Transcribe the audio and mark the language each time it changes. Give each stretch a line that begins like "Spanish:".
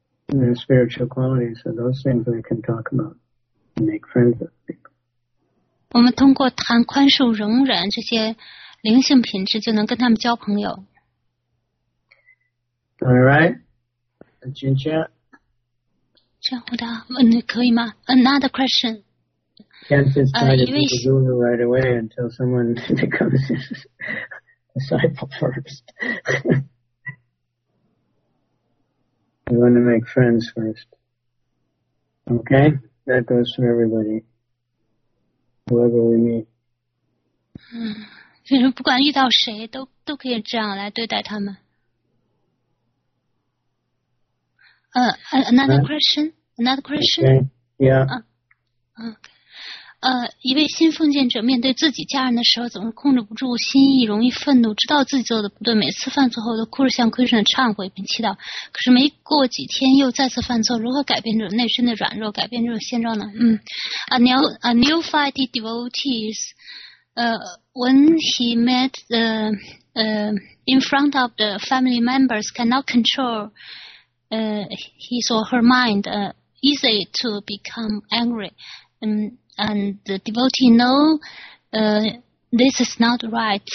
English: Their spiritual qualities, so those things we can talk about and make friends with people.
Chinese: 我们通过谈宽恕、容忍这些灵性品质，就能跟他们交朋友。
English: All right, Jinja.
Chinese: 这样回答，可以吗 ？
English: Another question. Can't just try to teach a guru right away until someone becomes a disciple first. We want to make friends first. Okay? That goes for everybody. Whoever we meet.
Chinese: 就是不管遇到谁都可以这样来对待他们。
English: Another question? Okay. Yeah. Okay.
Chinese: 一位新奉献者面对自己家人的时候总是控制不住心意，容易愤怒，知道自己做的不对，每次犯错后都哭着向 Krishna 忏悔并祈祷，可是没过几天又再次犯错，如何改变这种内心的软弱，改变这种现状呢？
English: A newfie devotees, when he met in front of the family members cannot control his or her mind, easy to become angry, And the devotee know this is not right.